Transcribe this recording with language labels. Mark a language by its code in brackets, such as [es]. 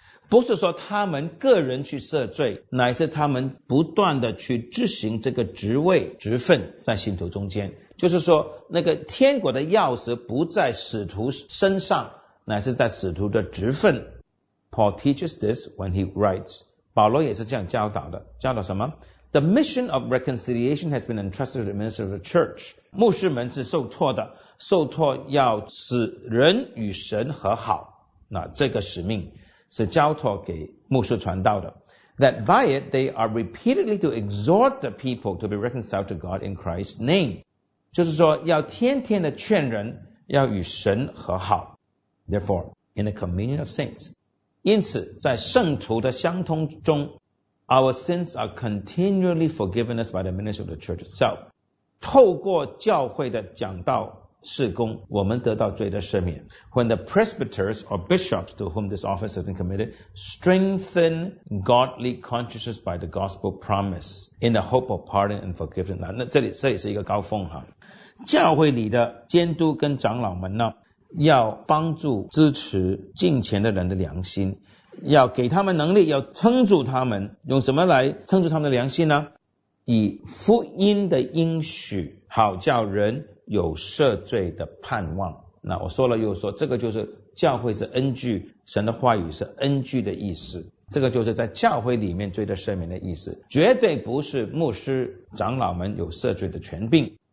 [zh] 不是说他们个人去赦罪乃是他们不断的去执行这个职位职分在信徒中间就是说那个天国的钥匙不在使徒身上乃是在使徒的职分 [en] Paul teaches this when he writes [zh] 保罗也是这样教导的教导什么 [en] The mission of reconciliation has been entrusted to the minister of the church. [zh] 牧师们是受托的，受托要使人与神和好。那这个使命是交托给牧师传道的。 [en] That by it they are repeatedly to exhort the people to be reconciled to God in Christ's name. [zh] 就是说要天天的劝人要与神和好。 [en] Therefore, in the communion of saints, [zh] 因此在圣徒的相通中 [en] Our sins are continually forgiven us by the ministry of the church itself. [zh] 透过教会的讲道事工，我们得到罪的赦免。 [en] When the presbyters or bishops to whom this office has been committed strengthen godly consciences by the gospel promise in the hope of pardon and forgiveness. [zh] 那这里是一个高峰哈。教会里的监督跟长老们呢，要帮助支持敬虔的人的良心。要给他们能力要撑住他们用什么来撑住他们的良心呢以福音的应许好叫人有赦罪的盼望那我说了又说这个就是教会是恩据神的话语是恩据的意思这个就是在教会里面罪的赦免的意思绝对不是牧师长老们有赦罪的权柄